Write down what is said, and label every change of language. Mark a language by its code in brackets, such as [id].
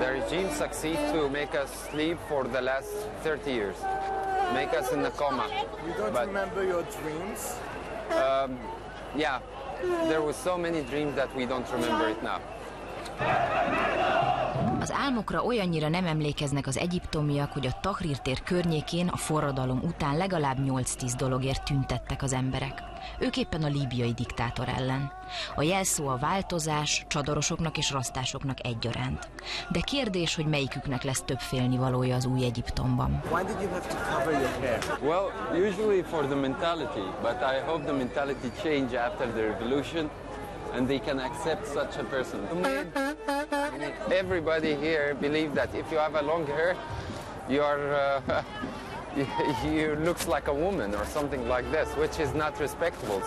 [en] The regime succeed to make us sleep for the last 30 years. Make us in a coma. You don't but, remember your dreams? Yeah. There were so many dreams that we don't remember it now. [hu] Az álmokra olyannyira nem emlékeznek az egyiptomiak, hogy a Tahrir tér környékén a forradalom után legalább 8-10 dologért tüntettek az emberek. Ők éppen a líbiai diktátor ellen. A jelszó a változás, csadorosoknak és rasztásoknak egyaránt. De kérdés, hogy melyiküknek lesz több félnivalója az új Egyiptomban. [en] Why did you have to cover your hair? Well, usually for the mentality, but I hope the mentality change after the revolution and they can accept such a person. Everybody here believe that if you have a long hair, you are you looks like a woman or something like this, which is not respectable.